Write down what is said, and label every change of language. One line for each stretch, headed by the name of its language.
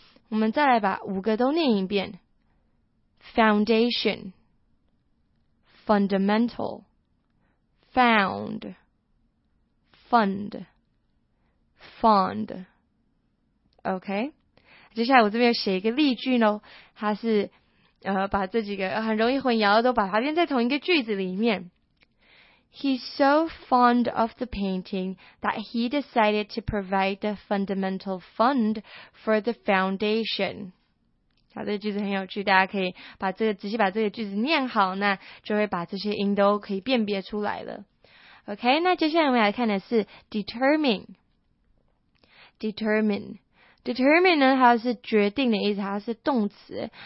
Chinese: 我们再来把五个都念一遍 ：foundation, fundamental, found, fund, fond. OK， 接下来我这边写一个例句喽，它是。把这几个很容易混淆的都把它连在同一个句子里面。
English: He's so fond of the painting that he decided to provide the fundamental fund for the foundation.
Chinese: 好，这个句子很有趣，大家可以把这个仔细把这个句子念好，那就会把这些音都可以辨别出来了。 OK， 那接下来我们来看的是 determine。 determine。 Determine 呢，它是决定的意思，它是动词。